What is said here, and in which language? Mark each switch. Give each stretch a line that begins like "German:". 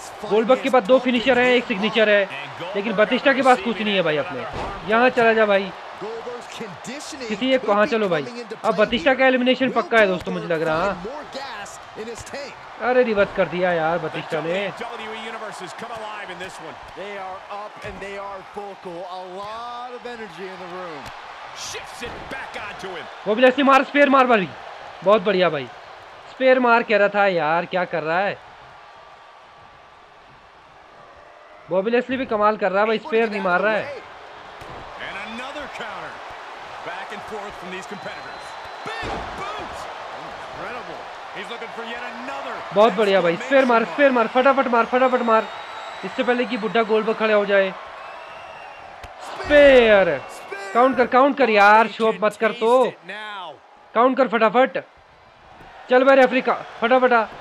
Hindi: Goldberg के पास दो finisher है एक सिग्नेचर है, लेकिन बतिस्टा के पास कुछ नहीं है भाई। अपने यहाँ चला जा भाई किसी एक को। हाँ चलो भाई अब बतिस्टा का एलिमिनेशन पक्का है दोस्तों मुझे लग रहा है। अरे रिवर्स कर दिया यार बतिस्टा ने।
English: They are up and they are vocal. A lot of energy in the room. shifts it back onto him.
Hindi: वो भी ऐसे मार, स्पेयर मार भाई, बहुत बढ़िया भाई, स्पेयर मार कह रहा था यार, क्या कर रहा है बॉबी लेस्ली, भी कमाल कर रहा है भाई, स्पेयर नहीं मार रहा है।
English: And another counter. Back and forth from these competitors. Big boots. Incredible. He's looking for yet another.
Hindi: बहुत बढ़िया भाई, स्पेयर मार, स्पेयर मार, फटाफट मार, फटाफट मार, इससे पहले कि बुड्ढा गोल पर खड़े हो जाए। स्पेयर, काउंट कर यार, शो ऑफ मत कर, तो काउंट कर फटाफट, चल भाई रेफरी का फटाफट।